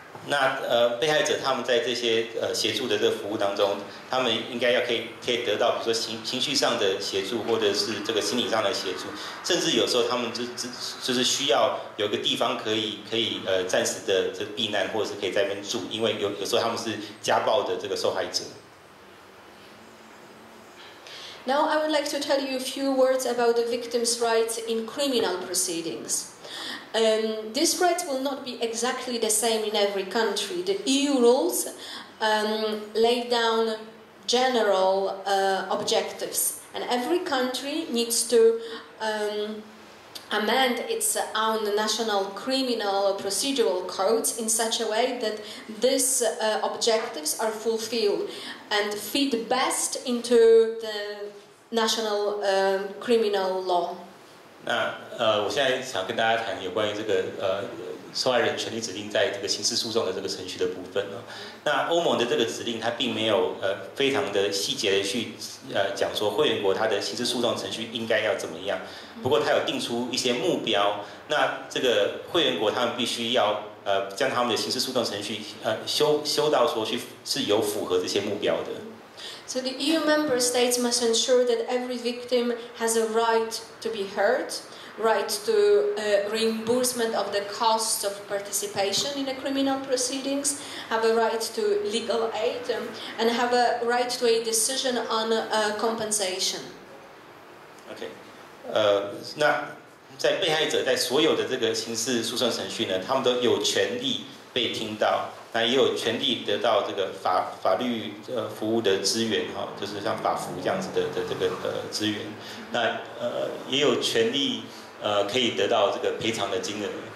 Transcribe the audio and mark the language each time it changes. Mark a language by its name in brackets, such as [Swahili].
[Chinese] 那被害者他们在这些协助的这个服务当中，他们应该要可以得到，比如说情绪上的协助，或者是这个心理上的协助，甚至有时候他们就是需要有个地方可以暂时的这避难，或者是可以在那边住，因为有时候他们是家暴的这个受害者。 [English] Now I would like to tell you a few words about the victims' rights in criminal proceedings. These rights will not be exactly the same in every country. The EU rules lay down general objectives, and every country needs to amend its own national criminal procedural codes in such a way that these objectives are fulfilled and fit best into the national criminal law. [Chinese] 那我现在想跟大家谈有关于这个受害人权利指令在这个刑事诉讼的这个程序的部分了。那欧盟的这个指令，它并没有非常的细节的去讲说会员国它的刑事诉讼程序应该要怎么样。不过它有定出一些目标，那这个会员国他们必须要将他们的刑事诉讼程序修到说去是有符合这些目标的。 [English] So the EU member states must ensure that every victim has a right to be heard, right to reimbursement of the costs of participation in the criminal proceedings, have a right to legal aid, and have a right to a decision on compensation. Okay. [Chinese] 那在被害者在所有的这个刑事诉讼程序呢，他们都有权利被听到。那也有权利得到这个法律服务的资源哈，就是像法服这样子的这个资源，那也有权利可以得到这个赔偿的金额。